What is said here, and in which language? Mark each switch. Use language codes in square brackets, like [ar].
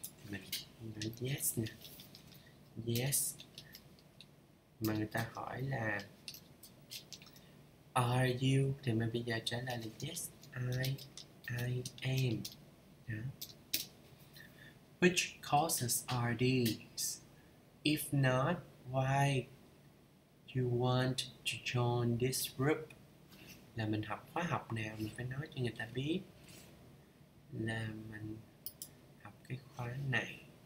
[vi] Mình nói yes nè. Yes. Mà người ta hỏi là [en] Are you? [vi] Thì mình bây giờ trả lời là [en] yes, I am. Which courses are these? If not, why you want to join this group? [vi] Là mình học khóa học nào mình phải nói cho người ta biết là mình học cái khóa này.